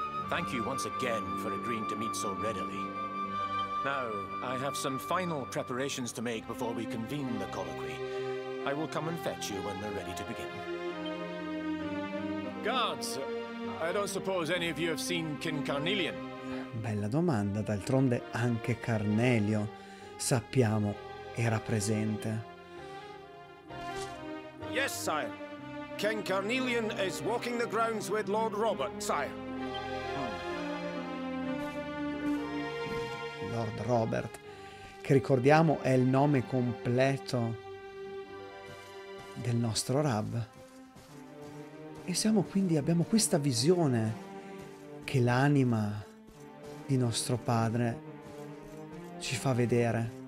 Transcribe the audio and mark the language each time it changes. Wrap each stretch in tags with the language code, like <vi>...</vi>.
<en>Thank you once again for agreeing to meet so readily. Now, I have some final preparations to make before we convene the colloquy. I will come and fetch you when we're ready to begin. Guards, I don't suppose any of you have seen King Carnelian.</en> <it>Bella domanda, d'altronde anche Carnelio, sappiamo, era presente.</it> <en>Yes, sire. King Carnelian is walking the grounds with Lord Robert, sire.</en> <it>Lord Robert, che ricordiamo è il nome completo del nostro Rab. E siamo quindi, abbiamo questa visione che l'anima di nostro padre ci fa vedere.</it>